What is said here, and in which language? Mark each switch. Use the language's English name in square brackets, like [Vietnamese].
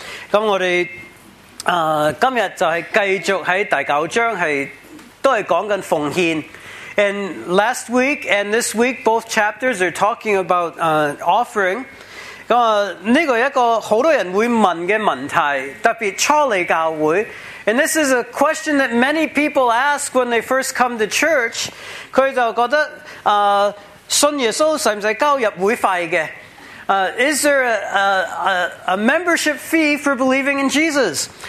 [Chinese] 那么我们今天就是继续在第九章是都是讲着奉献。 [English] And last week and this week, both chapters are talking about offering. [Chinese] 那么这个一个很多人会问的问题，特别初来教会。 [English] And this is a question that many people ask when they first come to church. [Chinese] 他就觉得信耶稣是不是交入会费的？ [English] Is there a membership fee for believing in Jesus?